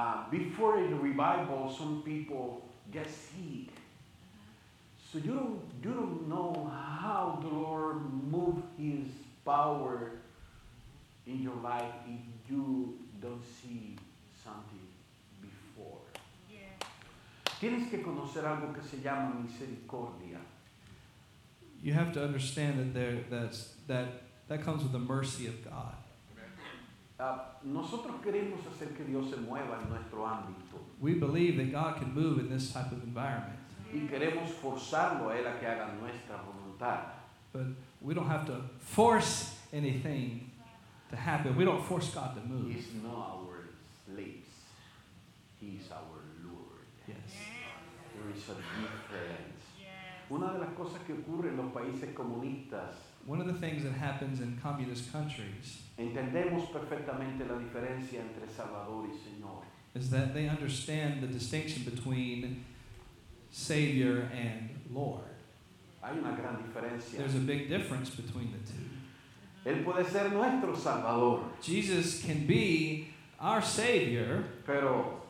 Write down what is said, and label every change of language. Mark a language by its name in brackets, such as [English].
[English] Before in the revival, some people get sick. So you don't know how the Lord moved his power in your life if you don't see something before. Yeah. [Spanish] Tienes que conocer algo que se llama misericordia. [English] You have to understand that that comes with the mercy of God. [Spanish] Nosotros queremos hacer que Dios se mueva en nuestro ámbito. [English] We believe that God can move in this type of environment. [Spanish] Y queremos forzarlo a él a que haga nuestra voluntad. [English] But we don't have to force anything to happen. We don't force God to move. He's not our slaves. He's our Lord. Yes. There is a difference. [Spanish] Una de las cosas que ocurre en los países comunistas. [English] One of the things that happens in communist countries. [Spanish] Entendemos perfectamente la diferencia entre Salvador y Señor. [English] Is that they understand the distinction between Savior and Lord. [Spanish] Hay una gran diferencia. [English] There's a big difference between the two. [Spanish] Él puede ser nuestro Salvador. [English] Jesus can be our Savior. [Spanish] Pero.